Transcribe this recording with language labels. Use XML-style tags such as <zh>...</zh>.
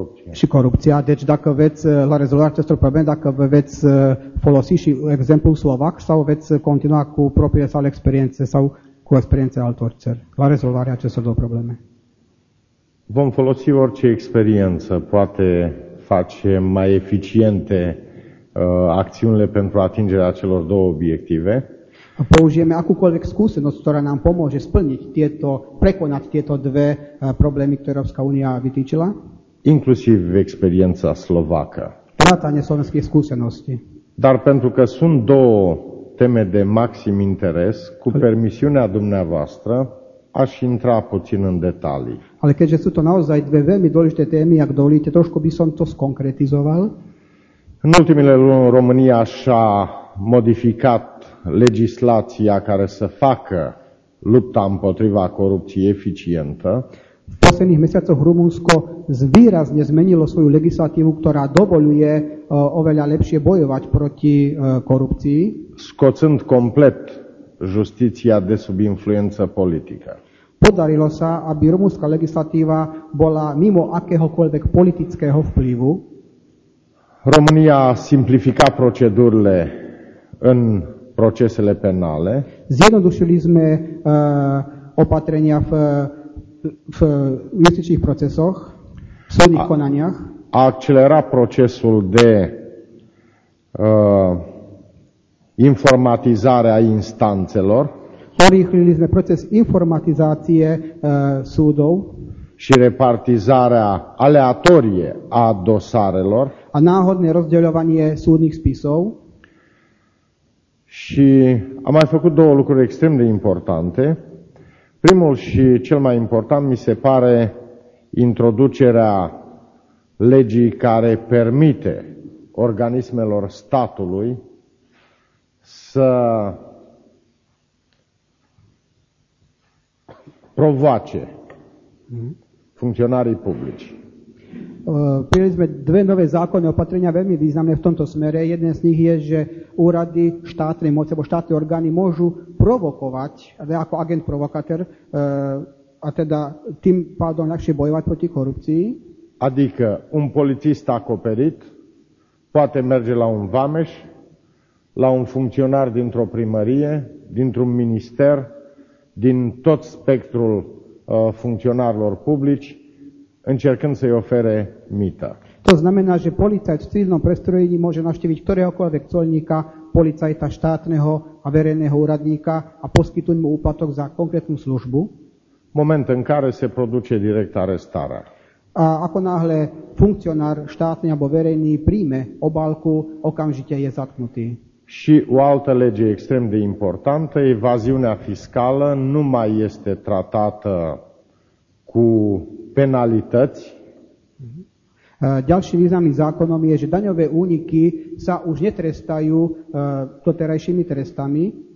<ro>Și corupția. Deci dacă veți, la rezolvarea acestor probleme, dacă vă veți folosi și exemplul slovac sau veți continua cu propriile sale experiențe sau cu experiențe altor țări, la rezolvarea acestor două probleme. Vom folosi orice experiență poate face mai eficiente acțiunile pentru atingerea celor două obiective.</ro> <sk>Použijeme akúkoľvek skúsenosť, no, ktorá nám pomôže splniť tieto, prekonať tieto dve problémy, ktoré Európska únia vytýčila.</sk> <ro>Inclusiv experiența slovacă.</ro> <sk>Rátane slovenských skúseností.</sk> <ro>Dar pentru că sunt două teme de maxim interes, cu permisiunea dumneavoastră, aș intra puțin în detalii.</ro> <sk>Ale keďže sú to naozaj dve veľmi dôležité témy, ak dovolíte, trošku by som to skonkretizoval.</sk> <ro>În ultimele luni, România și-a modificat legislația care să facă lupta împotriva corupției eficientă.</ro> <sk>V posledných mesiacoch Rumunsko výrazne zmenilo svoju legislatívu, ktorá dovoľuje oveľa lepšie bojovať proti korupcii.</sk> <ro>Scoțând complet justiția de sub influență politică.</ro> <sk>Podarilo sa, aby rumunská legislatíva bola mimo akéhokoľvek politického vplyvu.</sk> <ro>România a simplificat procedurile în procesele penale.</ro> <sk>Zjednodušilizme opatrenia v justičných procesoch, v súdnych konaniach.</sk> <ro>A accelerat procesul de informatizare a instanțelor.</ro> <sk>Urýchlili sme proces informatizácie súdov.</sk> <ro>Și repartizarea aleatorie a dosarelor.</ro> <sk>A náhodné rozdeľovanie súdnych spisov.</sk> <ro>Și am mai făcut două lucruri extrem de importante. Primul și cel mai important mi se pare introducerea legii care permite organismelor statului să provoace funcționarii publici.</ro> <sk>Prijeli sme dve nové zákonné opatrenia veľmi významné v tomto smere. Jeden z nich je, že úrady štátnej moci alebo štátne orgány môžu provokovať ako agent provokátor a teda tým pádom ľahšie bojovať proti korupcii.</sk> <ro>Adică un polițist acoperit poate merge la un vameș, la un funcționar dintr-o primărie, dintr-un minister, din tot spectrul funcționarilor publici, încercând să-i ofere mită.</ro> <sk>To znamená, že policajt v civilnom prestrojení môže navštíviť ktoréhokoľvek colníka, policajta štátneho a verejného úradníka a poskytnúť mu úplatok za konkrétnu službu.</sk> <ro>Moment în care se produce direct arestarea.</ro> <sk>A ako náhle funkcionár štátny alebo verejný príjme obálku, okamžite je zatknutý.</sk> <ro>Și o altă lege extrem de importantă, evaziunea fiscală nu mai este tratată cu penalități.</ro> <sk>Ďalším významným zákonom je, že daňové úniky sa už netrestajú doterajšími trestami.</sk>